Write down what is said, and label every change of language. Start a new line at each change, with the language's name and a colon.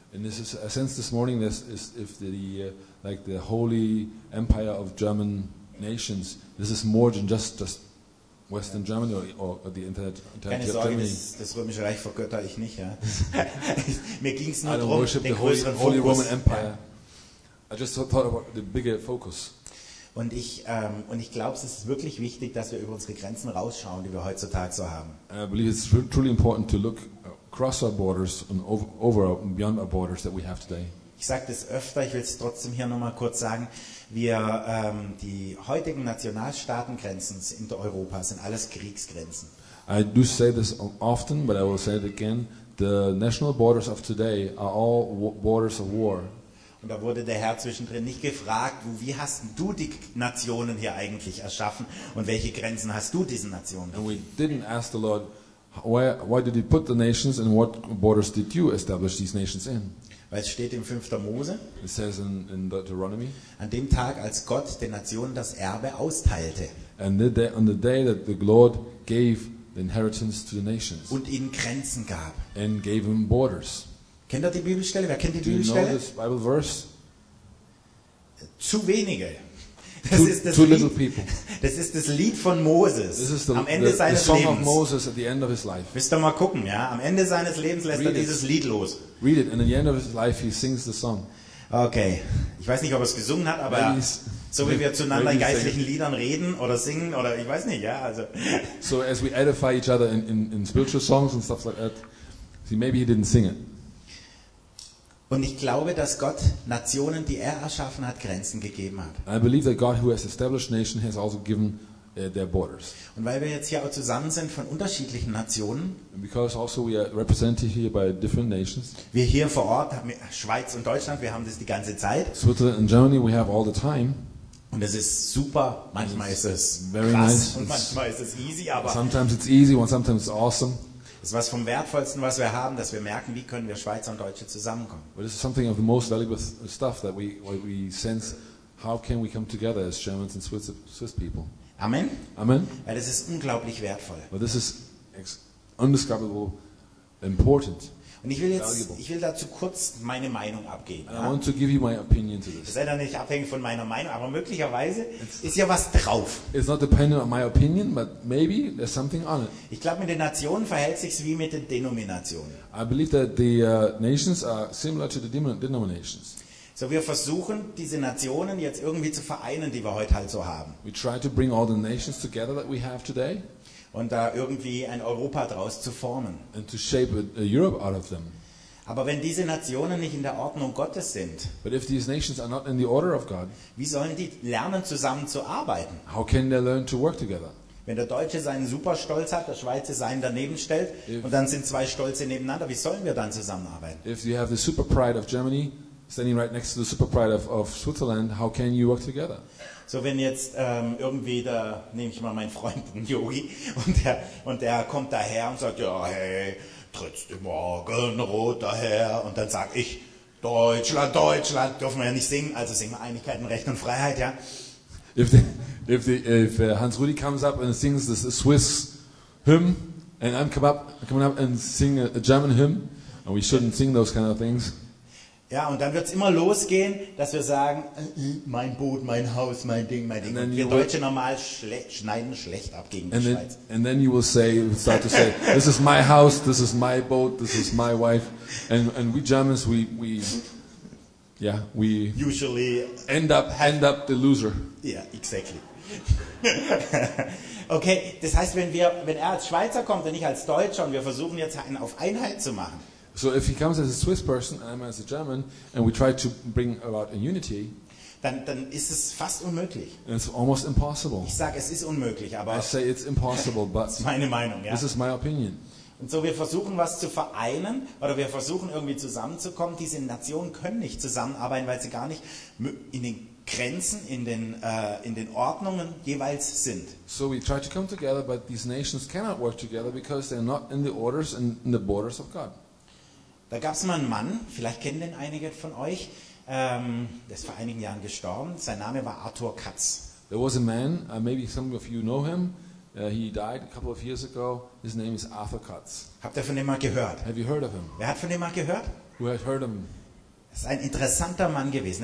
English: And this is, since this morning, this is if like the Holy Empire of German Nations, this is more than just Western Germany or the entire
German: keine Sorge,
English: Germany.
German: Das Römische Reich vergötter ich nicht. Ja. Mir ging es nur darum, den
English: größeren Holy Roman Empire. Yeah. I just thought about the bigger focus.
German: Und ich glaube, es ist wirklich wichtig, dass wir über unsere Grenzen rausschauen, die wir heutzutage so haben.
English: I believe it's truly important to look across our borders and over and beyond our borders that we have today.
German: Ich sage das öfter, ich will es trotzdem hier nochmal kurz sagen. Wir, die heutigen Nationalstaatengrenzen in Europa sind alles Kriegsgrenzen.
English: I do say this often, but I will say it again. The national borders of today are all borders of war.
German: Und da wurde der Herr zwischendrin nicht gefragt, wie hast du die Nationen hier eigentlich erschaffen und welche Grenzen hast du diesen Nationen?
English: And we didn't ask the Lord, why did he put the nations and what borders did you establish these nations in?
German: Weil es steht im 5. Mose,
English: it says in Deuteronomy,
German: an dem Tag, als Gott den Nationen das Erbe austeilte.
English: And on the day that the Lord gave the inheritance to the nations.
German: Und ihnen Grenzen gab.
English: And gave them borders.
German: Kennt ihr die Bibelstelle? Wer kennt die Bibelstelle?
English: Do you know this Bible verse?
German: Zu wenige. Das ist das Lied von Moses. Am Ende seines Lebens.
English: The song of Moses at the end of his life.
German: Müsst ihr mal gucken, ja? Am Ende seines Lebens lässt er dieses Lied los.
English: Read it. And at the end of his life, he sings the song. Okay.
German: Ich weiß nicht, ob er es gesungen hat, aber so wie wir zueinander in geistlichen Liedern reden oder singen oder ich weiß nicht, ja. Also.
English: So as we edify each other in spiritual songs and stuff like that, see, maybe he didn't sing it.
German: Und ich glaube, dass Gott Nationen, die er erschaffen hat, Grenzen gegeben hat.
English: I believe that God who has established nations has also given their borders.
German: Und weil wir jetzt hier auch zusammen sind von unterschiedlichen Nationen.
English: And because also we are represented here by different nations.
German: Wir hier vor Ort haben wir Schweiz und Deutschland, wir haben das die ganze Zeit.
English: Switzerland and Germany we have all the time.
German: Und es ist super, manchmal ist es
English: very
German: krass
English: nice.
German: Und manchmal ist es easy, aber
English: sometimes it's easy and sometimes it's awesome.
German: Das ist was vom Wertvollsten, was wir haben, dass wir merken, wie können wir Schweizer und Deutsche zusammenkommen.
English: But this is something of the most valuable stuff that we sense, how can we come together as Germans and Swiss people. Amen. Amen.
German: Weil das ist unglaublich wertvoll.
English: But this is undiscoverable important.
German: Und ich will jetzt, ich will dazu kurz meine Meinung abgeben.
English: I want to give you my opinion to this.
German: Das ist ja nicht abhängig von meiner Meinung, aber möglicherweise ist ja was drauf.
English: It's not dependent on my opinion, but maybe there's something on it.
German: Ich glaube, mit den Nationen verhält sich's wie mit den Denominationen.
English: I believe that the nations are similar to the denominations.
German: So, wir versuchen diese Nationen jetzt irgendwie zu vereinen, die wir heute halt so haben.
English: We try to bring all the nations together that we have today.
German: Und da irgendwie ein Europa draus zu formen.
English: And to shape a Europe out of them.
German: Aber wenn diese Nationen nicht in der Ordnung Gottes sind,
English: but if these nations are not in the order of God,
German: wie sollen die lernen, zusammen zu arbeiten?
English: How can they learn to work together?
German: Wenn der Deutsche seinen Superstolz hat, der Schweizer seinen daneben stellt, und dann sind zwei Stolze nebeneinander, wie sollen wir dann zusammenarbeiten?
English: If you have the super pride of Germany standing right next to the super pride of Switzerland, how can you work together?
German: So, wenn jetzt irgendwie da, nehme ich mal meinen Freund, den Yogi, und der kommt daher und sagt, ja, hey, trittst du morgen rot daher? Und dann sage ich, Deutschland, Deutschland, dürfen wir ja nicht singen, also singen wir Einigkeit und Recht und Freiheit, ja.
English: If Hans Rudi comes up and sings this Swiss hymn, and I'm coming up and sing a German hymn, and we shouldn't sing those kind of things.
German: Ja, und dann wird es immer losgehen, dass wir sagen, mein Boot, mein Haus, mein Ding. Und wir Deutsche normal schneiden schlecht ab gegen die Schweiz.
English: And then you will start to say, this is my house, this is my boat, this is my wife. And we Germans, we usually end up the loser. Yeah, exactly.
German: Okay, das heißt, wenn er als Schweizer kommt und ich als Deutscher und wir versuchen jetzt einen auf Einheit zu machen.
English: So if he comes as a Swiss person and I'm as a German and we try to bring about a unity,
German: dann ist es fast unmöglich.
English: It's almost impossible.
German: Ich sage, es ist unmöglich, aber
English: I say it's impossible, but
German: das ist meine Meinung, ja.
English: This is my opinion.
German: Und so wir versuchen was zu vereinen oder wir versuchen irgendwie zusammenzukommen. Diese Nationen können nicht zusammenarbeiten, weil sie gar nicht in den Grenzen, in den Ordnungen jeweils sind.
English: So we try to come together, but these nations cannot work together because they're not in the orders and in the borders of God.
German: Da gab es mal einen Mann, vielleicht kennen den einige von euch, der ist vor einigen Jahren gestorben. Sein Name war Arthur Katz.
English: There was a man, maybe some of you know him. He died a couple of years ago. His name is Arthur Katz.
German: Habt ihr von dem mal gehört?
English: Have you heard of him?
German: Wer hat von dem mal gehört?
English: Who has heard him?
German: Er ist ein interessanter Mann gewesen.